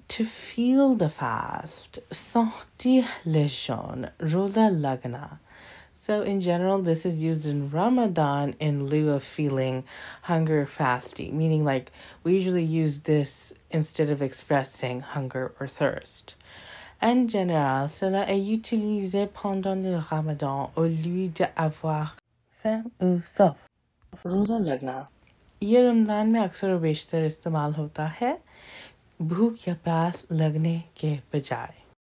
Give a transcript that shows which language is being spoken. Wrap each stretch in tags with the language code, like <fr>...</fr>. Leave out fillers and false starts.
<en>To feel the fast,</en> <fr>sentir le jeûne,</fr> <ur>roza lagna.</ur> <en>So in general, this is used in Ramadan in lieu of feeling hunger or fasting. Meaning like we usually use this instead of expressing hunger or thirst.</en> <fr>En général, cela est utilisé pendant le Ramadan au lieu d'avoir faim ou soif.</fr> <ur>روزہ لگنا یہ رمضان میں اکثر و بیشتر استعمال ہوتا ہے بھوک یا پیاس لگنے کے بجائے.</ur>